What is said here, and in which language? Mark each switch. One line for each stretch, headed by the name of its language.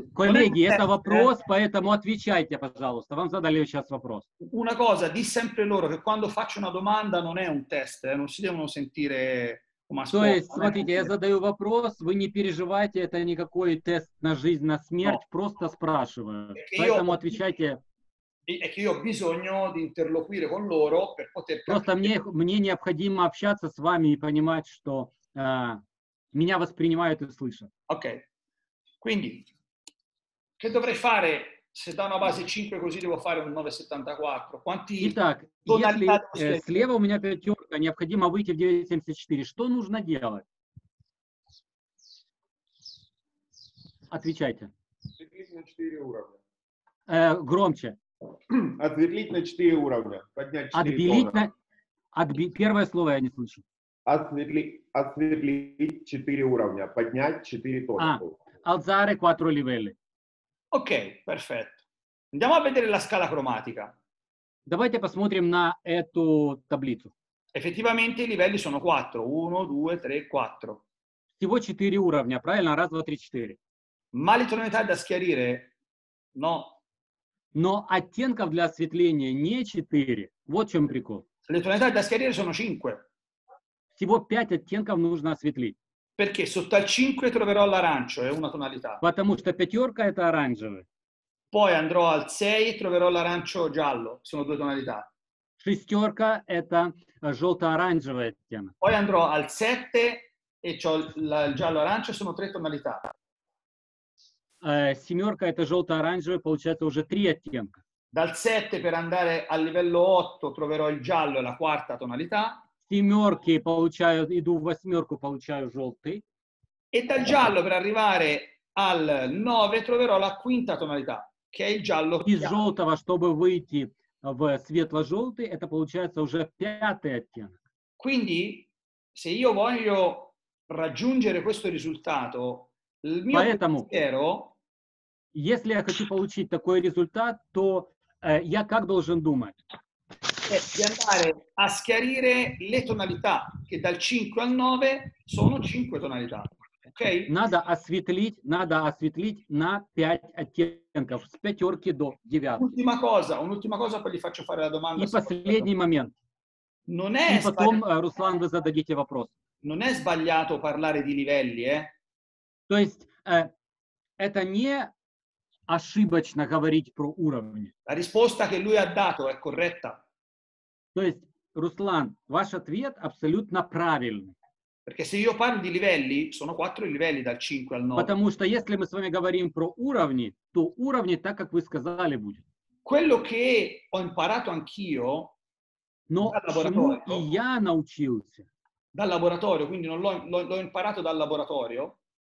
Russian: Коллеги, это вопрос, поэтому отвечайте, пожалуйста. Вам задали сейчас вопрос.
Italian: Una cosa, di sempre loro, che quando faccio una domanda non è un test, non si devono sentire.
Russian: То есть, смотрите, я задаю вопрос, вы не переживайте, это никакой тест на жизнь, на смерть, просто спрашиваю. Поэтому отвечайте. Просто мне необходимо общаться с вами и понимать, что меня воспринимают и слышат. Окей.
Italian: Quindi, che dovrei fare se da una base 5 così devo fare un 974? Quanti?
Russian: Итак, если слева у меня пятерка, необходимо выйти в 974. Что нужно делать? Отвечайте. Отверлить на 4 уровня. Громче. Отверлить на 4 уровня. Поднять 4 отверлить уровня. Первое слово я не слышу. Отверлить 4 уровня. Поднять 4 точки.
Italian: Alzare 4 livelli. Окей, perfetto. Andiamo a vedere la scala cromatica.
Russian: Давайте посмотрим на эту таблицу.
Italian: Effettivamente i livelli sono 4, 1, 2, 3, 4.
Russian: Всего 4 уровня, правильно? 1, 2, 3, 4.
Italian: Ma le tonalità da schiarire? No.
Russian: Но оттенков для осветления не 4. Вот в чем прикол.
Italian: Le tonalità da schiarire sono 5.
Russian: Всего 5 оттенков нужно осветлить.
Italian: Perché sotto al 5 troverò l'arancio, è una tonalità.
Russian: Потому что пятерка это оранжевый.
Italian: Poi andrò al 6 e troverò l'arancio giallo, sono due tonalità.
Russian: Шестерка – это желто-оранжевый оттенок.
Italian: Poi andrò al 7 e c'ho il giallo-arancio, sono tre tonalità.
Russian: Семерка – это желто-оранжевый, получается уже три оттенка.
Italian: Dal 7 per andare al livello 8 troverò il giallo, è la quarta tonalità.
Russian: семерки получаю, иду в восьмерку, получаю желтый.
Italian: E dal giallo per arrivare al 9 troverò la quinta tonalità, che è il giallo chiaro.
Russian: Из желтого, чтобы выйти в светло-желтый, это получается уже пятый оттенок.
Italian: Quindi, se io voglio raggiungere questo risultato, il mio
Russian: Поэтому,
Italian: pensiero...
Russian: Если я хочу получить такой результат, то я как должен думать?
Italian: Di andare a schiarire le tonalità, che dal 5 al 9 sono 5 тонalità. Okay.
Russian: Надо осветлить на 5 оттенков, с пятерки до 9.
Italian: Un'ultima cosa, poi gli faccio fare la domanda.
Russian: И последний момент.
Italian: Non è
Russian: и потом, Руслан, вы зададите вопрос.
Italian: Non è sbagliato parlare di livelli,
Russian: То есть, это не ошибочно говорить про уровни.
Italian: La risposta che lui ha dato è corretta.
Russian: То есть, Руслан, ваш ответ абсолютно правильный.
Italian: Perché se io parlo di livelli, sono 4 livelli dal 5 al 9.
Russian: Потому что если мы с вами говорим про уровни, то уровни так, как вы сказали, будет.
Italian: Quello che ho imparato anch'io dal laboratorio.
Russian: Но чему и я научился.
Italian: Dal laboratorio, quindi non l'ho imparato dal laboratorio.